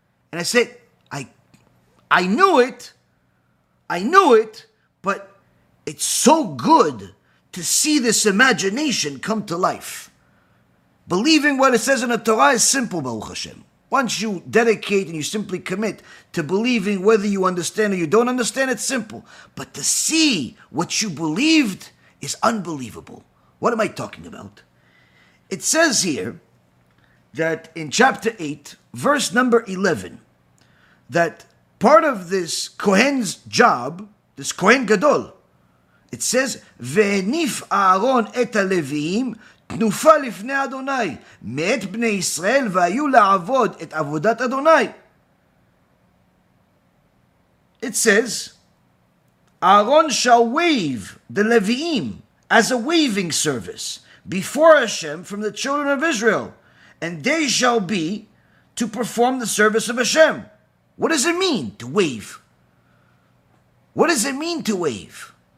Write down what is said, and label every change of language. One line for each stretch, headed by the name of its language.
English: And I said, I knew it, but it's so good to see this imagination come to life. Believing what it says in the Torah is simple, Baruch Hashem. Once you dedicate and you simply commit to believing whether you understand or you don't understand, it's simple. But to see what you believed is unbelievable. What am I talking about? It says here that in chapter 8, verse number 11, that part of this Kohen's job, this Kohen Gadol, it says,
Hebrew: Ve'enif Aaron et ha-Leviim, תנופה לפני אדוני, מאת בני ישראל, והיו לעבוד את עבודת אדוני.
English: It says, Aaron shall wave the Leviim as a waving service before Hashem from the children of Israel, and they shall be to perform the service of Hashem. What does it mean to wave? What does it mean to wave?